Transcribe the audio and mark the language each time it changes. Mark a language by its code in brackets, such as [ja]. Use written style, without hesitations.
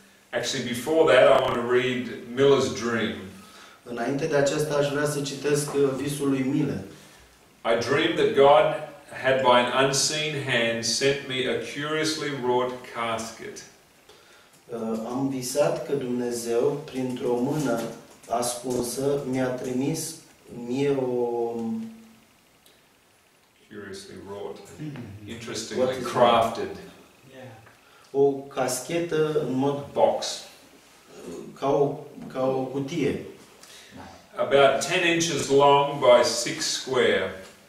[en] Actually, before that, I want to read Miller's Dream. [ro] Înainte de aceasta, aș vrea să citesc visul lui Miller. [en] I dreamed that God had by an unseen hand sent me a curiously wrought casket. [ro] Am visat că Dumnezeu, printr-o mână ascunsă, mi-a trimis mie o [en] curiously wrought. interestingly crafted. [ro] Yeah. O caschetă în mod [en] box. [ro] Ca o cutie. [en] About 10 inches long by 6 square.